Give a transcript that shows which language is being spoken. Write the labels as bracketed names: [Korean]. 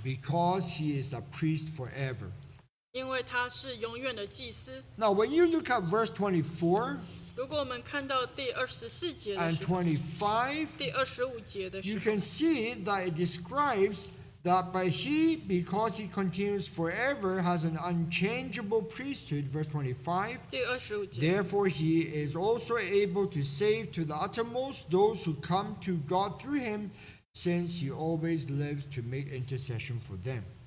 [English] because he is a priest forever. [Chinese] 因为他是永远的祭司。Now [English] when you look at verse 24, [Chinese] 如果我们看到第24节的时候, [English] and 25, [Chinese] 第25节的时候, [English] you can see that it describes that by he, because he continues forever, has an unchangeable priesthood, verse 25. Therefore, he is also able to save to the uttermost those who come to God through him, since he always lives to make intercession for them.